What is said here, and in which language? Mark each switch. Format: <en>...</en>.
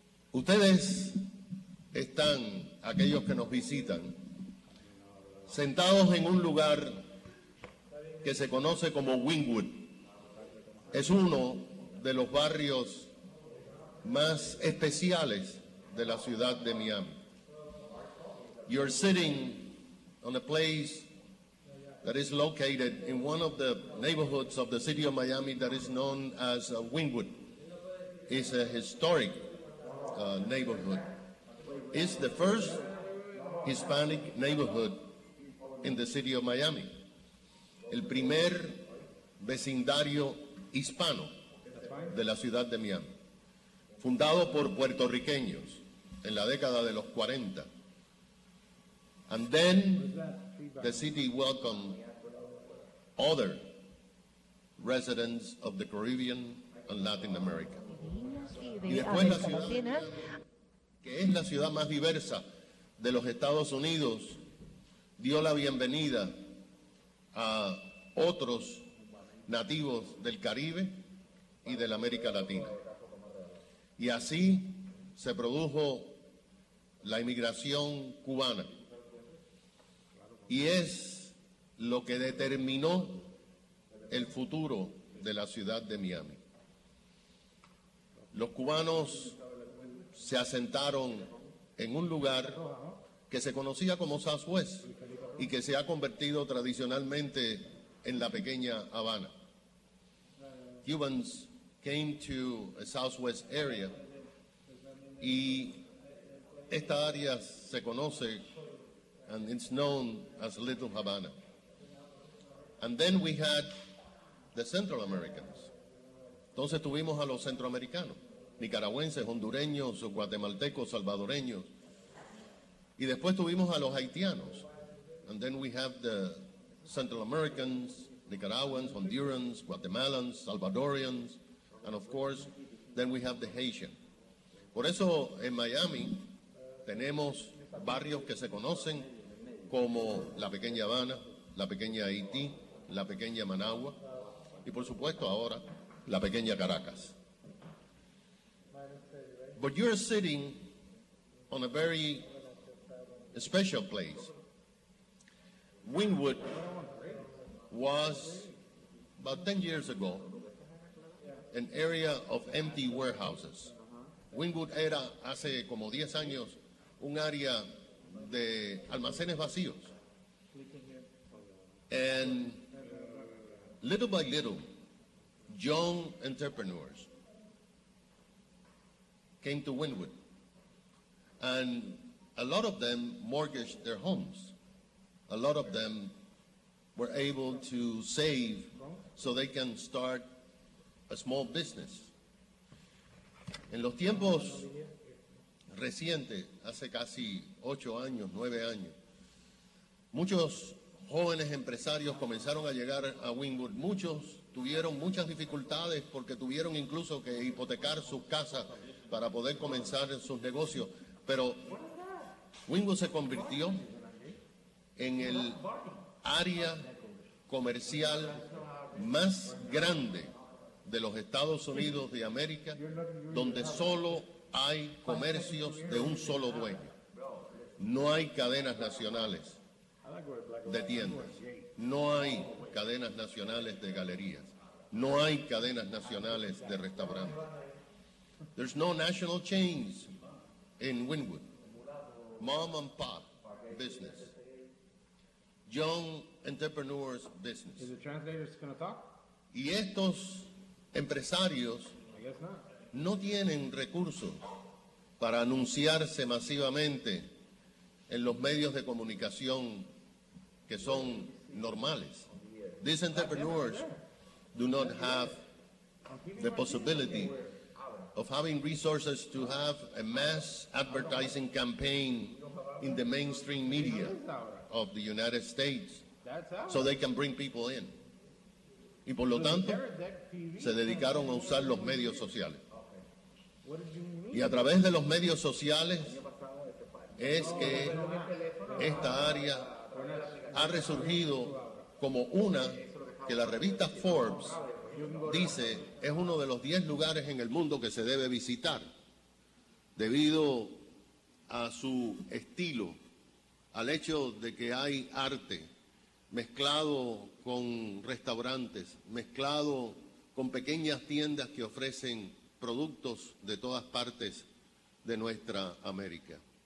<es>Ustedes están, aquellos que nos visitan, sentados en un lugar que se conoce como Wynwood. Es uno de los barrios más especiales de la ciudad de Miami.</es> <en>You're sitting on a place that is located in one of the neighborhoods of the city of Miami that is known as Wynwood. It's a historic neighborhood. It's the first Hispanic neighborhood in the city of Miami.</en> <es>El primer vecindario hispano de la ciudad de Miami, fundado por puertorriqueños en la década de los 40.</es> <en>And then the city welcomed other residents of the Caribbean and Latin America.</en> <es>Y después la ciudad, que es la ciudad más diversa de los Estados Unidos, dio la bienvenida a otros nativos del Caribe y de la América Latina. Y así se produjo la inmigración cubana. Y es lo que determinó el futuro de la ciudad de Miami. Los cubanos se asentaron en un lugar que se conocía como Southwest y que se ha convertido tradicionalmente en la pequeña Habana.</es> <en>Cubans came to a Southwest area</en> <es>y esta área se conoce,</es> <en>and it's known as Little Havana. And then we had the Central Americans.</en> <es>Entonces tuvimos a los centroamericanos, nicaragüenses, hondureños, guatemaltecos, salvadoreños. Y después tuvimos a los haitianos.</es> <en>And then we have the Central Americans, Nicaraguans, Hondurans, Guatemalans, Salvadorians, and of course, then we have the Haitian.</en> <es>Por eso en Miami tenemos barrios que se conocen como la pequeña Habana, la pequeña Haití, la pequeña Managua, y por supuesto ahora, la pequeña Caracas.</es> <en>But you're sitting on a very special place. Wynwood was, about 10 years ago, an area of empty warehouses.</en> <es>Wynwood era, hace como 10 años, un área de almacenes vacíos.</es> <en>And little by little, young entrepreneurs came to Wynwood. And a lot of them mortgaged their homes. A lot of them were able to save so they can start a small business.</en> <es>En los tiempos recientes, hace casi 8 años, 9 años, muchos jóvenes empresarios comenzaron a llegar a Wynwood. Muchos tuvieron muchas dificultades porque tuvieron incluso que hipotecar sus casas para poder comenzar sus negocios. Pero Wynwood se convirtió en el área comercial más grande de los Estados Unidos de América, donde solo hay comercios de un solo dueño. No hay cadenas nacionales de tiendas. No hay cadenas nacionales de galerías. No hay cadenas nacionales de restaurantes.</es> <en>There's no national chains in Wynwood. Mom and pop business. Young entrepreneurs business. Is the translator going to talk?</en> <es>Y estos empresarios no tienen recursos para anunciarse masivamente en los medios de comunicación que son normales.</es> <en>These entrepreneurs do not have the possibility of having resources to have a mass advertising campaign in the mainstream media of the United States so they can bring people in.</en> <es>Y por lo tanto, se dedicaron a usar los medios sociales. Y a través de los medios sociales es que esta área ha resurgido como una que la revista Forbes dice es uno de los 10 lugares en el mundo que se debe visitar debido a su estilo, al hecho de que hay arte mezclado con restaurantes, mezclado con pequeñas tiendas que ofrecen productos de todas partes de nuestra América.</es>